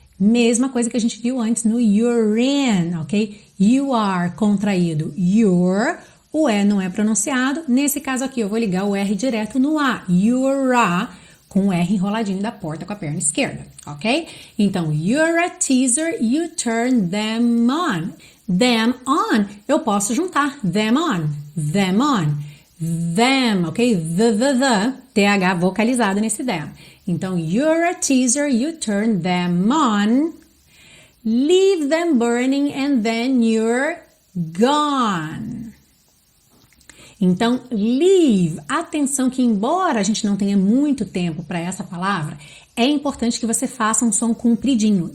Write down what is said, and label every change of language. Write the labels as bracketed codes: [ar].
[pt] Mesma coisa que a gente viu antes no [en] you're in, [pt] ok? [en] You are [pt] contraído, you're, o E não é pronunciado. Nesse caso aqui, eu vou ligar o R direto no A, you're a, com o R enroladinho da porta com a perna esquerda, ok? Então, [en] you're a teaser, you turn them on. Them on, [pt] eu posso juntar, [en] them on, them on. [pt] Them, ok? The, TH vocalizado nesse them. Então, [en] you're a teaser, you turn them on, leave them burning, and then you're gone. [pt] Então, leave. Atenção que, embora a gente não tenha muito tempo para essa palavra, é importante que você faça um som compridinho.